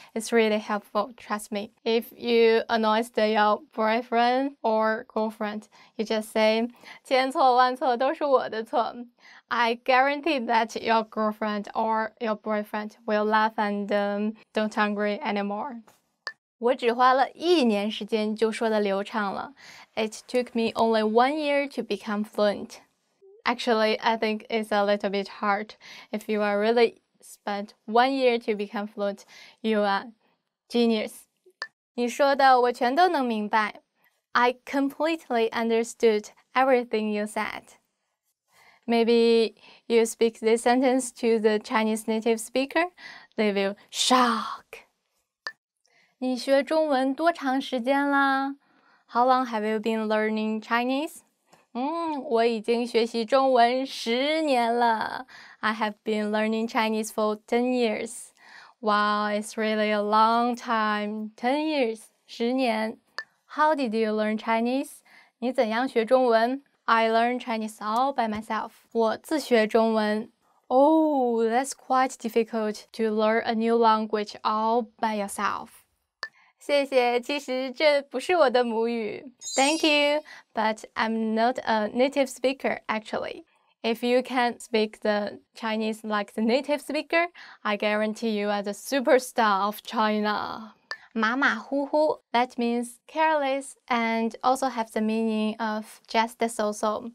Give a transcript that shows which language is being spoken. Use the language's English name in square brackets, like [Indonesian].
[English] It's really helpful, trust me. If you annoy your boyfriend or girlfriend, you just say, [Chinese] 千错万错都是我的错 [English] I guarantee that your girlfriend or your boyfriend will laugh and don't angry anymore. [Chinese] 我只花了一年时间就说得流畅了。 [English] It took me only 1 year to become fluent. Actually, I think it's a little bit hard. If you are really spent 1 year to become fluent, you are genius. [Chinese] 你说的我全都能明白。 [English] I completely understood everything you said. Maybe you speak this sentence to the Chinese native speaker, they will shock. [Chinese] 你学中文多长时间啦? [English] How long have you been learning Chinese? [Chinese] 我已经学习中文十年了。 [English] I have been learning Chinese for 10 years. Wow, it's really a long time. 10 years, [Chinese] 十年。 [English] How did you learn Chinese? [Chinese] 你怎样学中文? [English] I learned Chinese all by myself. [Chinese] 我自学中文。 [English] Oh, that's quite difficult to learn a new language all by yourself. [Chinese] 谢谢，其实这不是我的母语。 [English] Thank you, but I'm not a native speaker, actually. If you can't speak the Chinese like the native speaker, I guarantee you are the superstar of China. [Chinese] 马马虎虎 [English] that means careless and also have the meaning of just so-so.